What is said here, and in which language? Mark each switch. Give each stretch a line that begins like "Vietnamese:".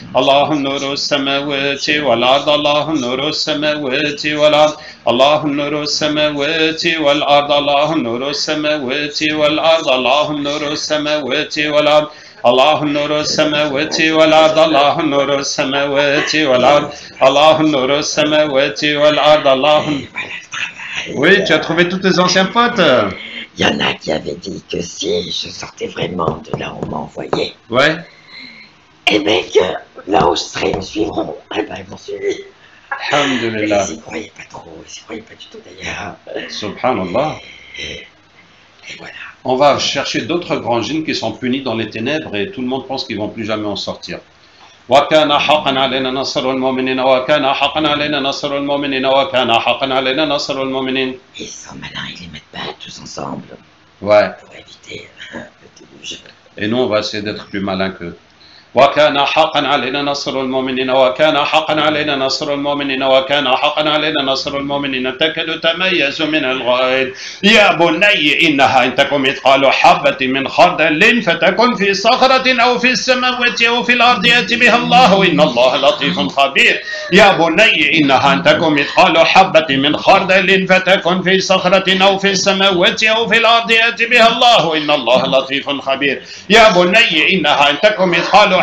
Arabic: الله نور السماوات والأرض الله نور السماوات والأرض الله نور السماوات والأرض الله نور السماوات والأرض الله نور السماوات والأرض الله نور السماوات والأرض الله نور السماوات والأرض الله نور السماوات والأرض الله
French: Oui, tu as trouvé tous tes anciens potes. Il y en a qui avaient dit que si je sortais vraiment de là où on m'envoyait, Ouais. eh bien que là où je serais, ils me suivront. Eh bien, ils m'ont suivi. Mais ils
Arabic: Alhamdulillah.
French: n'y croyaient pas trop, ils n'y croyaient pas du tout d'ailleurs.
Arabic: Subhanallah.
French: Et voilà. On va chercher d'autres grands djinns qui sont punis dans les ténèbres et tout le monde pense qu'ils vont plus jamais en sortir.
Arabic: وكان حقا علينا نصر المؤمنين وكان حقا علينا نصر المؤمنين وكان حقا علينا نصر المؤمنين
French: Ils sont malins, ils les mettent pas tous ensemble Ouais. pour éviter le déluge. Et nous, on va essayer d'être plus malins qu'eux.
Arabic: وكان حقا علينا نصر المؤمنين وكان حقا علينا نصر المؤمنين وكان حقا علينا نصر المؤمنين تكاد تميز من الغيظ يا بني انها ان تكن مثقال حبة من خردل فتكن في صخرة او في السماوات او في الارض ياتي بها الله ان الله لطيف خبير يا بني انها ان تكن مثقال حبة من خردل فتكن في صخرة او في السماوات او في الارض ياتي بها الله ان الله لطيف خبير يا بني انها ان تكن مثقال